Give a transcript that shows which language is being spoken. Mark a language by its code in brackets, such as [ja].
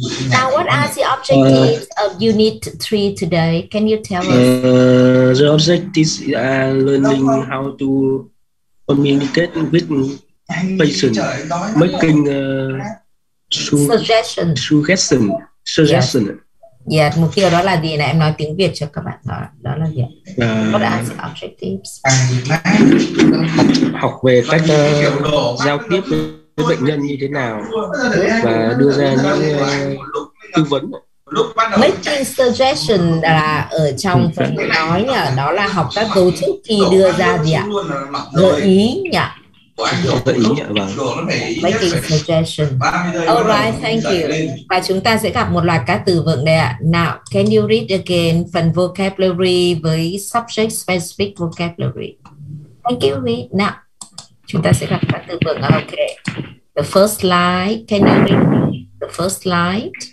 [en] Now, what are the objectives of Unit 3 today? Can you tell us? The objectives are learning how to communicate with patients, making suggestion. Yeah, [vi] mục tiêu đó là gì nè? Em nói tiếng Việt cho các bạn đó. Đó là gì? [en] What are the objectives? [vi] Học về cách giao tiếp với bệnh nhân như thế nào và đưa ra những tư vấn. [en] Making suggestion [vi] là ở trong phần nói nhỉ? Đó là học các cấu trúc khi đưa ra gì ạ? Gợi ý nhỉ? Gợi ý nhỉ? Vâng. [en] Making suggestion. Alright, thank you. [vi] Và chúng ta sẽ gặp một loạt các từ vựng đây ạ. [en] Now, can you read again [vi] phần vocabulary với subject specific vocabulary? [en] Thank you, read. Now, [vi] chúng ta sẽ gặp các từ vựng. [en] Ok. The first line, can you read the first line?